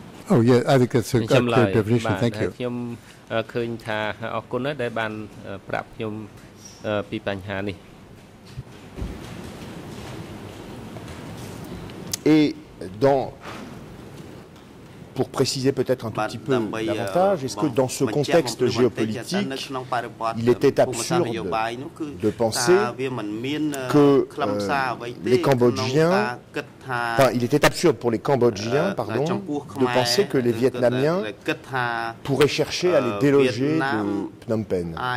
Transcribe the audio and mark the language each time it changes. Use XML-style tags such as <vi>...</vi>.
<en>Oh yeah, I think that's a clear definition. Thank you.</en> <km>ខ្ញុំឃើញថាអរគុណដែលបានប្រាប់ខ្ញុំពីបញ្ហានេះ</km> <fr>Et dans, pour préciser peut-être un tout petit peu davantage, est-ce que dans ce contexte géopolitique, il était absurde de penser que les Cambodgiens, enfin, il était absurde pour les Cambodgiens, pardon, de penser que les Vietnamiens pourraient chercher à les déloger de Phnom Penh?</fr>